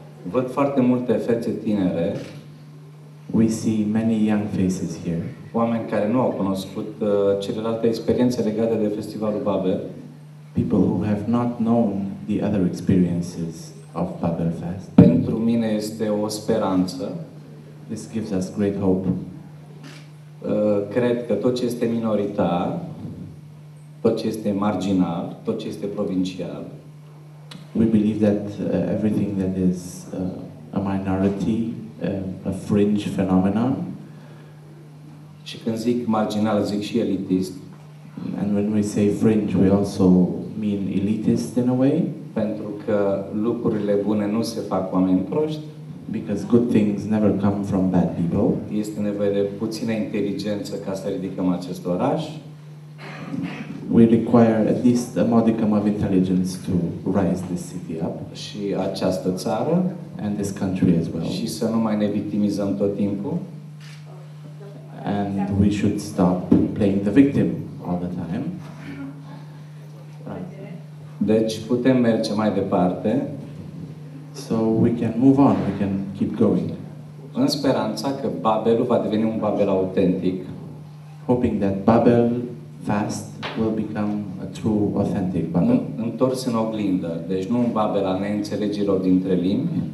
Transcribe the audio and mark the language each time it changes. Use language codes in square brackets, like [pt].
[ro] Văd foarte multe fețe tinere. [en] We see many young faces here. [ro] Oameni care nu au cunoscut celelalte experiențe legate de festivalul Babel. [en] People who have not known the other experiences of Babel Fest. [ro] Pentru mine este o speranță. [en] This gives us great hope. [ro] Cred că tot ce este minoritar, tot ce este marginal, tot ce este provincial. [en] We believe that everything that is a minority, a fringe phenomenon. [ro] Și când zic marginal, zic și elitist. [en] And when we say fringe, we also mean elitist in a way. [ro] Pentru că lucrurile bune nu se fac cu oameni proști. [en] Because good things never come from bad people. [ro] Este nevoie de puțină inteligență ca să ridicăm acest oraș. [en] We require at least a modicum of intelligence to rise this city up. [ro] Și această țară. [en] And this country as well. [ro] Și să nu mai ne victimizăm tot timpul. [en] And we should stop playing the victim all the time. [ro] Deci putem merge mai departe. [en] So we can move on, we can keep going. [ro] În speranța că Babelul va deveni un Babel autentic. [en] Hoping that Babel Fast will become a true, authentic Babel. [ro] Întors în oglindă, deci nu un Babel a neînțelegerilor dintre limbi.